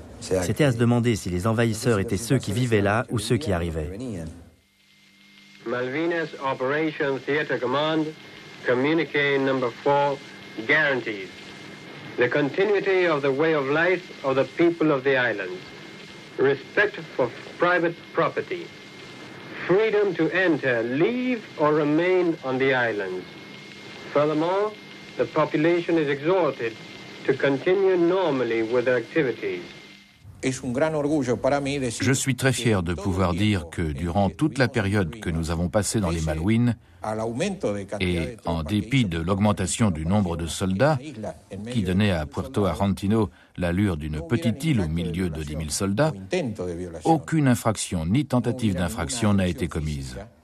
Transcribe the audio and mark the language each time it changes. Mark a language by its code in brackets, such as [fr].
[fr] C'était à se demander si les envahisseurs étaient ceux qui vivaient là ou ceux qui arrivaient. [en] Malvinas Operation Theater Command, communique number 4, guarantees the continuity of the way of life of the people of the islands, respect for private property, freedom to enter, leave or remain on the islands. Furthermore, the population is exhorted to continue normally with their activities. [fr] Je suis très fier de pouvoir dire que durant toute la période que nous avons passée dans les Malouines, et en dépit de l'augmentation du nombre de soldats, qui donnait à Puerto Argentino l'allure d'une petite île au milieu de 10 000 soldats, aucune infraction ni tentative d'infraction n'a été commise.